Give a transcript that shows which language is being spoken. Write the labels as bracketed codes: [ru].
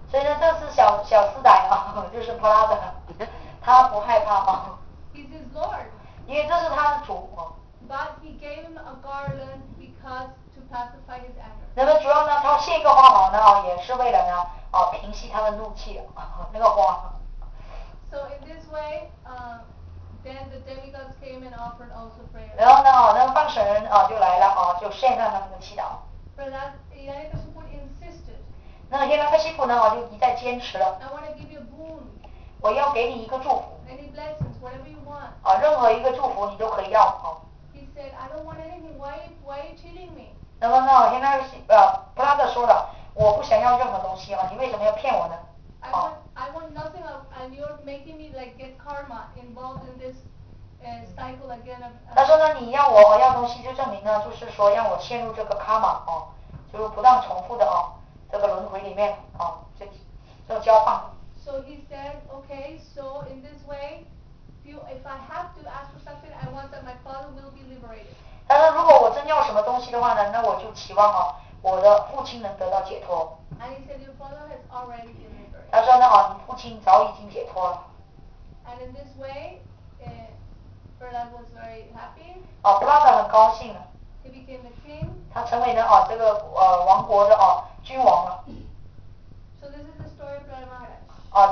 [zh] 所以呢，这是小狮仔啊，就是 Prahlad， 他不害怕啊。 [en] He's his lord. [zh] 因为这是他的主啊。 [en] But he gave him a garland because. [zh] 那么主要呢，他献一个花好呢，也是为了呢，平息他的怒气，那个花。 [en] So in this way, then the demigods came and offered also prayer. [zh] 然后呢，那个放神人就来了就献上他们的祈祷。 [en] But that Hiranyakashipu insisted. [zh] 那Hiranyakashipu呢，就一再坚持了。 [en] I want to give you a boon. [zh] 我要给你一个祝福。 [en] Any blessings, whatever you want. [zh] 任何一个祝福你都可以要啊。 [en] He said, I don't want anything. Why are you cheating me? [zh] 那么呢，现在布拉德说了，我不想要任何东西啊，你为什么要骗我呢？ [en] I want nothing of, and you're making me like get karma involved in this cycle again of. [zh] 他说呢，你要我要东西，就证明呢，就是说让我陷入这个 karma 啊，就是不断重复的啊，这个轮回里面啊，这交换。 [en] So he said, okay, so in this way, if I have to ask for something, I want that my father will be liberated. [zh] 但是如果我真要什么东西的话呢，那我就期望我的父亲能得到解脱。 [en] And he said your father has already been liberated. [zh] 他说呢你父亲早已经解脱了。 [en] And in this way, Prahlad was very happy. [zh] Prahlad 很高兴了。 [en] He became a king. [zh] 他成为了这个王国的君王了。 [en] So this is the story of Prahlad Maharaj.